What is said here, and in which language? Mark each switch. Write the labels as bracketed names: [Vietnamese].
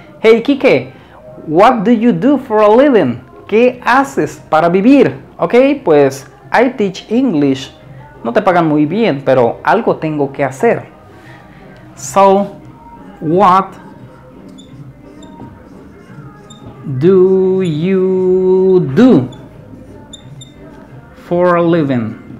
[English] Hey, Kike, what do you do for a living? [Spanish] ¿Qué haces para vivir? Ok, pues [English] I teach English. [Spanish] No te pagan muy bien, pero algo tengo que hacer. [English] So, what do you do for a living?